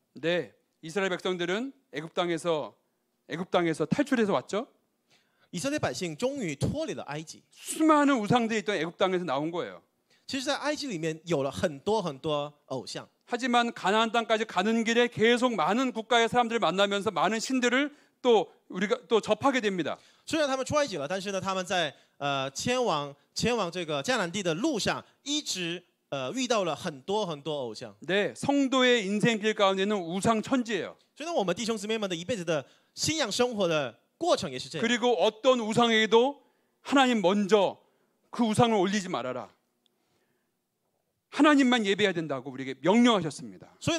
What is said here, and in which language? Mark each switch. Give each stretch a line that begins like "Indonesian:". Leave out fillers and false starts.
Korean: 네, 이스라엘 백성들은 애굽 땅에서 탈출해서 왔죠. 이스라엘 백성
Chinese: 终于脱离了埃及.
Korean: 수많은 우상들이 있던 애굽 땅에서 나온 거예요.
Chinese: 其实，在埃及里面有了很多很多偶像。
Korean: 하지만 가나안 땅까지 가는 길에 계속 많은 국가의 사람들을 만나면서 많은 신들을 또 우리가 또 접하게 됩니다.
Chinese: 虽然他们出埃及了，但是呢，他们在前往这个迦南地的路上，一直遇到了很多很多偶像。
Korean: 네, 성도의 인생 길 가운데는 우상 천지예요.
Chinese: 所以呢，我们弟兄姊妹们的一辈子的信仰生活的过程也是这样。
Korean: 그리고 어떤 우상에게도 하나님 먼저 그 우상을 올리지 말아라. 하나님만 예배해야 된다고 우리에게 명령하셨습니다.